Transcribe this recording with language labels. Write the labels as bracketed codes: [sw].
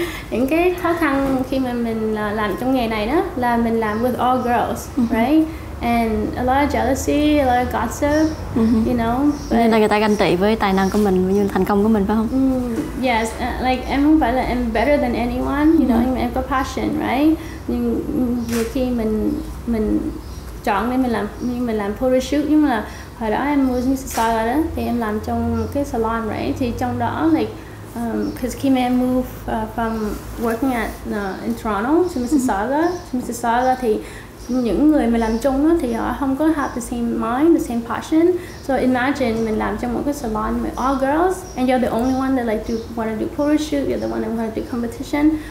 [vi] Những cái khó khăn khi mà mình làm trong nghề này đó là mình làm [en] with all girls, right? And a lot of jealousy, a lot of gossip, you know. [vi] Nên là người ta ganh tị với tài năng của mình, với thành công của mình phải không? [en] Yes, like [vi] em không phải là em [en] better than anyone, you know. [vi] Em có passion, [en] right? [vi] Nhưng nhiều khi mình chọn nên mình làm photo shoot, nhưng mà hồi đó em mua những salon đó, thì em làm trong cái salon, right? Thì trong đó [en] like because [vi] khi mà em [en] move from working at in [vi] Toronto to Mississauga, thì những người mà làm chung thì họ không có [en] have the same mind, the same passion. So imagine [vi] mình làm trong một cái [en] salon with all girls and you're the only one that like want to do photo shoot, you're the one that want to do competition.